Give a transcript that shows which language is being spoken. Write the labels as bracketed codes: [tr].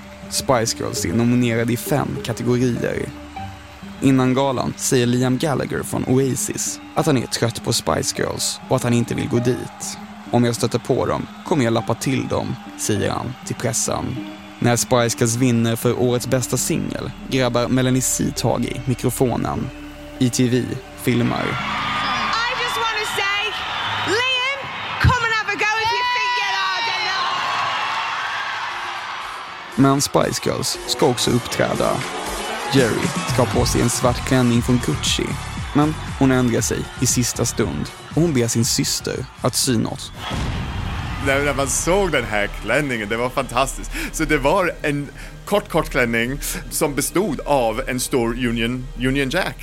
[sv] Spice Girls är nominerade i 5 kategorier. Innan galan säger Liam Gallagher från Oasis att han är trött på Spice Girls och att han inte vill gå dit. Om jag stöter på dem kommer jag lappa till dem, säger han till pressen. När Spice Girls vinner för årets bästa singel grabbar Melanie C tag i mikrofonen. ITV filmar. [en] I just want to say, Liam, come and have a go if you think you're hard enough. [sv] Men Spice Girls ska också uppträda. Jerry ska på sig en svart klänning från Gucci. Men hon ändrar sig i sista stund och hon ber sin syster att sy något. När man såg den här klänningen, det var fantastiskt. Så det var en kort klänning som bestod av en stor Union Jack.